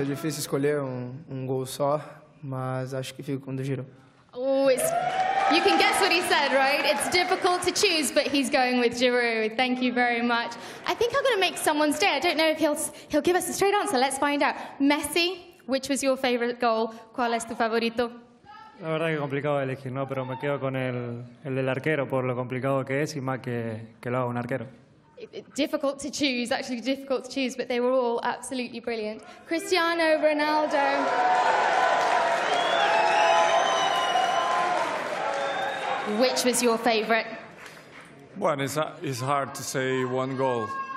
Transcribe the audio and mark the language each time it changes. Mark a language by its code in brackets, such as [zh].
[pt] É difícil escolher gol só, mas acho que fico com o do Giro. [en] Oh, it's... You can guess what he said, right? It's difficult to choose, but he's going with Giroud. Thank you very much. I think I'm going to make someone's day. I don't know if he'll give us a straight answer. Let's find out. Messi, which was your favorite goal? [es] ¿Cuál es tu favorito? La verdad que complicado elegir, ¿no? Pero me quedo con el del arquero por lo complicado que es y más que lo haga un arquero. [en] Difficult to choose, actually difficult to choose, but they were all absolutely brilliant. Cristiano Ronaldo. Which was your favorite? Well, it's hard to say one goal.